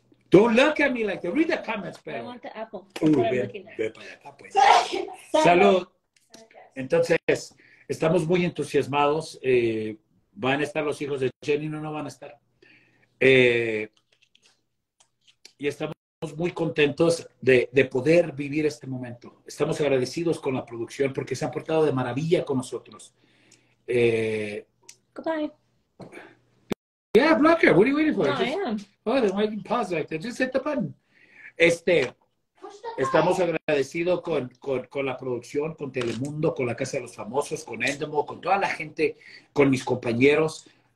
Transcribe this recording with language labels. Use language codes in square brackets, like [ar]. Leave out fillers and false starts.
[en] Don't look at me like that. Read the comments, babe. I want the apple. [es] Ve para acá, pues. Salud. Entonces, estamos muy entusiasmados. Van a estar los hijos de Jenny, no van a estar. Y estamos muy contentos de poder vivir este momento. Estamos agradecidos con la producción porque se han portado de maravilla con nosotros. [en] Goodbye. Yeah, blocker, what are you waiting for? No, just, I am. Oh, then why didn't pause right there? Just hit the button. [es] Estamos agradecidos con la producción, con Telemundo, con la Casa de los Famosos, con Endemol, con toda la gente, con mis compañeros.